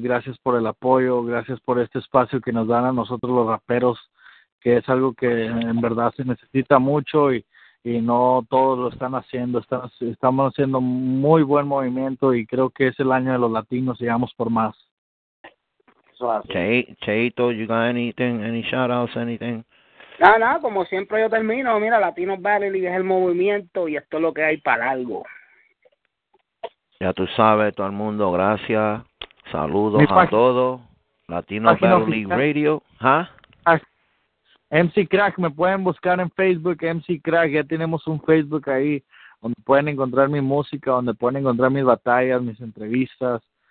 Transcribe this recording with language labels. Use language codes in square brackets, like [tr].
[es] Gracias por el apoyo, gracias por este espacio que nos dan a nosotros los raperos, que es algo que en verdad se necesita mucho y no todos lo están haciendo. Estamos haciendo muy buen movimiento y creo que es el año de los latinos y vamos por más. Es eso es así. [en] Cheito, you got anything, any shout outs, anything? [es] Nada, como siempre yo termino, mira, Latinos Battle League es el movimiento y esto es lo que hay para algo. Ya tú sabes, todo el mundo, gracias, saludos a todos, Latinos Battle League Radio, ¿ah? MC Crack, me pueden buscar en Facebook, MC Crack, ya tenemos un Facebook ahí donde pueden encontrar mi música, donde pueden encontrar mis batallas, mis entrevistas.